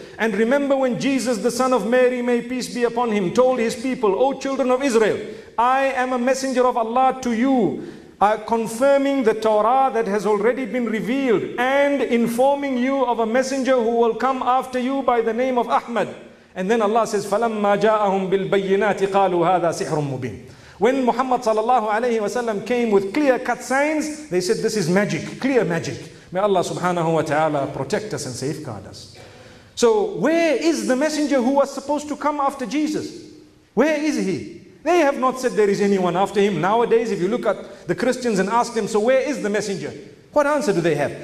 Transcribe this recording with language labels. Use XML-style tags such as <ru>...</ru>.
<en>And remember when Jesus, the son of Mary, may peace be upon him, told his people, O children of Israel, I am a messenger of Allah to you, confirming the Torah that has already been revealed and informing you of a messenger who will come after you by the name of Ahmad. And then Allah says,</en> <ar>فَلَمَّا جَاءَهُمْ بِالْبَيِّنَاتِ قَالُوا هَذَا سِحْرٌ مُّبِينٌ.</ar> <en>When Muhammad sallallahu alayhi wa sallam came with clear cut signs, they said, this is magic, clear magic. May Allah subhanahu wa ta'ala protect us and safeguard us. So where is the messenger who was supposed to come after Jesus? Where is he? They have not said there is anyone after him. Nowadays, if you look at the Christians and ask them, so where is the messenger? What answer do they have?</en>